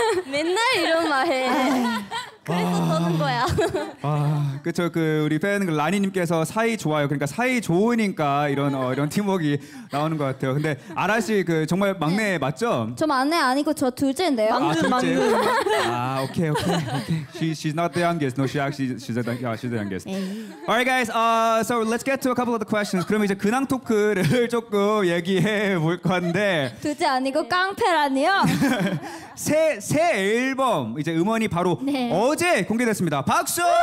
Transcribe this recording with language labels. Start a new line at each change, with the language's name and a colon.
Korean: 맨날 이런 말해. 그래서 떠는 거야. 아, 그쵸. 그 우리 팬 라니님께서 사이 좋아요. 그러니까 사이 좋으니까 이런 팀워크가 나오는 것 같아요. 근데 아라 씨 그 정말 막내 네. 맞죠? 저 막내 아니고 저 둘째인데요. 막내. 아, 오케이.
English: She's not the youngest. No, she's the youngest. All right, guys. So let's get to a couple of the questions.
Korean: 그럼 이제 근황 토크를 조금 얘기해 볼 건데. 둘째 아니고 깡패라니요? 새 앨범 이제 음원이 바로. 네. 어제 공개됐습니다. 박수!